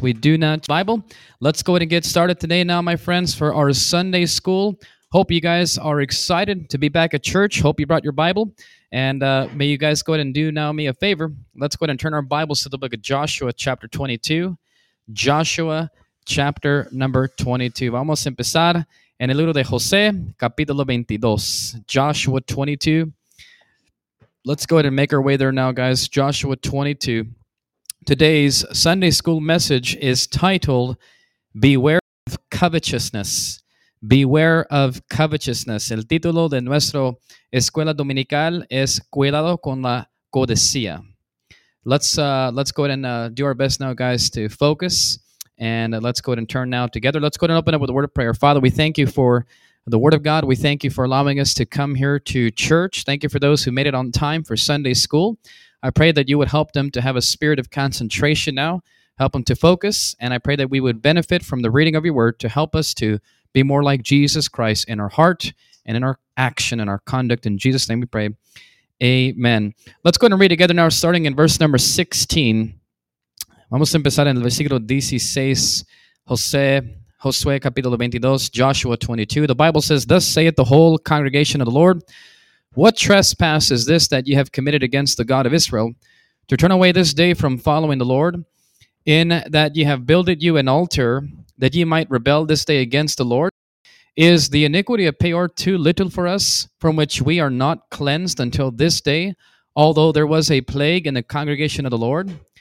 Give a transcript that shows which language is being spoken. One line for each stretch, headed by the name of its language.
English: We do not Bible. Let's go ahead and get started today now, my friends, for our Sunday school. Hope you guys are excited to be back at church. Hope you brought your Bible. And may you guys go ahead and do now me a favor. Let's go ahead and turn our Bibles to the book of Joshua chapter 22. Joshua chapter number 22.
Spanish: Vamos a empezar en el libro de José, capítulo 22.
English: Joshua 22. Let's go ahead and make our way there now, guys. Joshua 22. Today's Sunday school message is titled, Beware of Covetousness. Beware of Covetousness.
Spanish: El título de nuestra escuela dominical es Cuidado con la Codicia.
English: Let's go ahead and do our best now, guys, to focus. And let's go ahead and turn now together. Let's go ahead and open up with a word of prayer. Father, we thank you for the Word of God. We thank you for allowing us to come here to church. Thank you for those who made it on time for Sunday school. I pray that you would help them to have a spirit of concentration now, help them to focus, and I pray that we would benefit from the reading of your Word to help us to be more like Jesus Christ in our heart and in our action and our conduct. In Jesus' name we pray. Amen. Let's go ahead and read together now, starting in verse number 16.
Spanish: Vamos a empezar en el versículo 16, Josué, capítulo 22, Joshua 22.
English: The Bible says, Thus saith the whole congregation of the Lord, What trespass is this that you have committed against the God of Israel, to turn away this day from following the Lord, in that ye have builded you an altar, that ye might rebel this day against the Lord? Is the iniquity of Peor too little for us, from which we are not cleansed until this day, although there was a plague in the congregation of the Lord?